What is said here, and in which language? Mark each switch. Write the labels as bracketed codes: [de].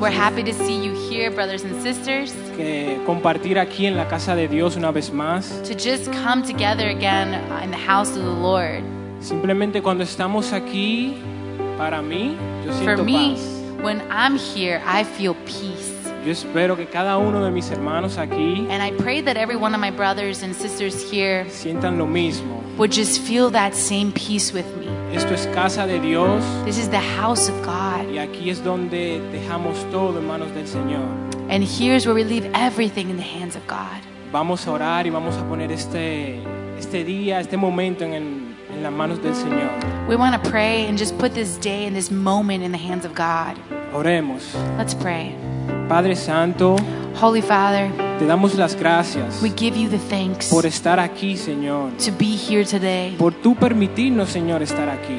[en] We're happy to see you here, brothers and sisters. [es] Que compartir aquí en la casa de Dios una vez más. [en] To just come together again in the house of the Lord. [es] Simplemente cuando estamos aquí, para mí, yo siento [en] For me, [es] paz. [en] When I'm here, I feel peace. [es] Yo espero que cada uno de mis hermanos aquí [en] and I pray that every one of my brothers and sisters here [es] sientan lo mismo. [en] Would just feel that same peace with me. [es] Esto es casa de Dios. [en] This is the house of God. [es] Y aquí es donde dejamos todo en manos del Señor. [en] And here's where we leave everything in the hands of God. [es] Vamos a orar y vamos a poner este día, este momento en las manos del Señor. [en] We want to pray and just put this day and this moment in the hands of God. [es] Oremos. [en] Let's pray. [es] Padre Santo, [en] Holy Father, [es] te damos las gracias. [en] We give you the thanks [es] por estar aquí, Señor. [en] To be here today. [es] Por tu permitirnos, Señor, estar aquí.